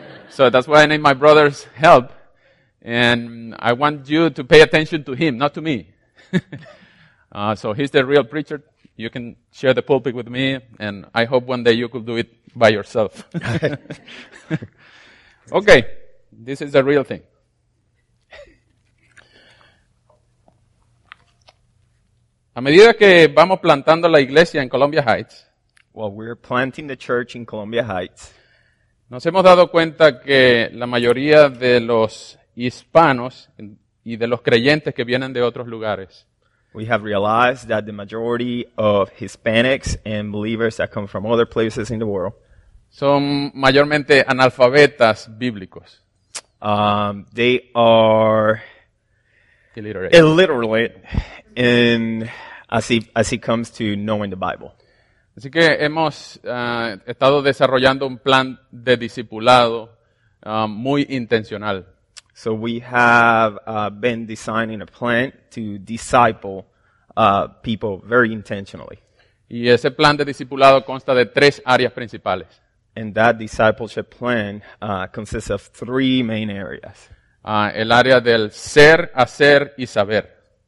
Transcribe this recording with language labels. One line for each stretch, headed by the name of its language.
English: So that's why I need my brother's help. And I want you to pay attention to him, not to me. So he's the real preacher. You can share the pulpit with me, and I hope one day you could do it by yourself. Okay, this is the real thing.
Spanish: A medida que vamos plantando la iglesia en Columbia Heights,
English: while we're planting the church in Columbia Heights,
Spanish: nos hemos dado cuenta que la mayoría de los hispanos y de los creyentes que vienen de otros lugares,
English: we have realized that the majority of Hispanics and believers that come from other places in the world
Spanish: son mayormente analfabetas bíblicos.
English: They are illiterate. And as he comes to knowing the Bible.
Spanish: Así que hemos estado desarrollando un plan de discipulado muy intencional.
English: So we have been designing a plan to disciple people very intentionally.
Spanish: Y ese plan de discipulado consta de tres áreas principales.
English: And that discipleship plan consists of three main areas.
Spanish: El área del ser, hacer y saber.